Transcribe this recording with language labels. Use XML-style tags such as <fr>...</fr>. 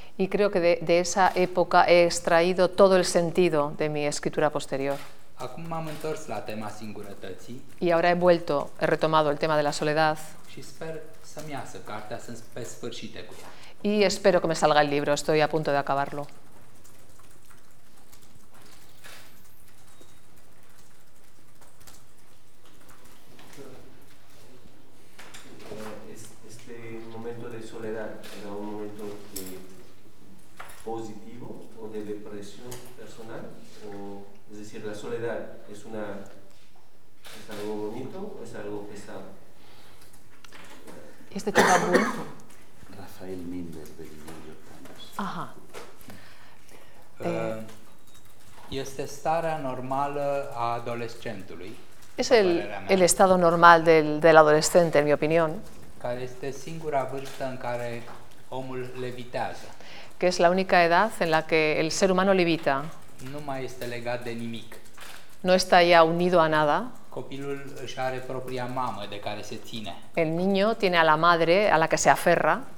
<es>Y creo que de esa época he extraído todo el sentido de mi escritura posterior.</es> <ro>Acum m-am întors la tema singurătății.</ro> <es>Y ahora he retomado el tema de la soledad.</es> <ro>Și sper să-mi iasă cartea, sunt pe sfârșit cu ea.</ro> <es>Y espero que me salga el libro, estoy a punto de acabarlo. Este moment de soledad era un moment pozitiv o de depresiune personală? Es decir, la soledad es algo bonito o es algo pesado. Este chico bueno. Rafael Minder de New York Times. Ajá.</es> <ro>Este starea normală a adolescentului.</ro> <es>Es el estado normal del adolescente, en mi opinión.</es> <ro>Care este singura vârstă în care omul levitează.</ro> <es>Que es la única edad en la que el ser humano levita.</es> <ro>Nu mai este legat de nimic.</ro> <es>No está ya unido a nada.</es> <ro>Copilul își are propria mamă de care se ține.</ro> <es>El niño tiene a la madre a la que se aferra.</es>